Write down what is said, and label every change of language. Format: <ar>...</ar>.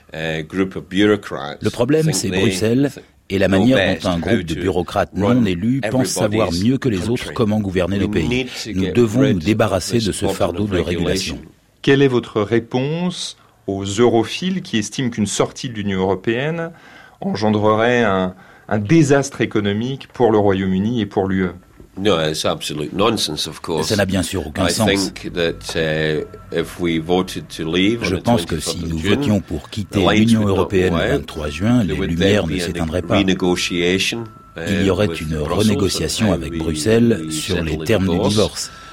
<fr>Le problème, c'est Bruxelles. Et la manière dont un groupe de bureaucrates non élus pense savoir mieux que les autres comment gouverner le pays. Nous devons nous débarrasser de ce fardeau de régulation. Quelle est votre réponse aux europhiles qui estiment qu'une sortie de l'Union européenne engendrerait un désastre économique pour le Royaume-Uni et pour l'UE?</fr> <en>No, it's absolute nonsense, of course.</en> <fr>Ça n'a bien sûr aucun sens.</fr> <en>I think that if we voted to leave,</en> <fr>je pense que si nous votions pour quitter l'Union européenne le 23 juin, les lumières ne s'éteindraient pas. Il y aurait une renégociation avec Bruxelles sur les termes du divorce.</fr>